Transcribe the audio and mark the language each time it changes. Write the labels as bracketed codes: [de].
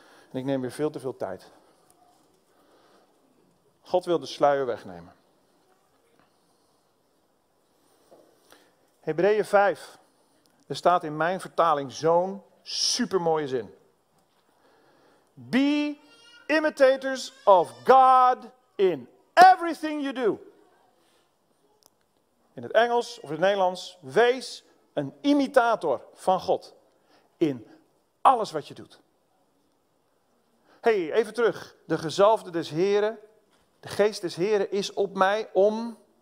[nl] En ik neem weer veel te veel tijd. God wil de sluier wegnemen. Hebreeën 5. Er staat in mijn vertaling zo'n supermooie zin. [en] Be imitators of God in everything you do. [nl] In het Engels of in het Nederlands. Wees een imitator van God. In alles wat je doet. Hey, even terug. De gezalfde des Heren. De geest des Heren is op mij om...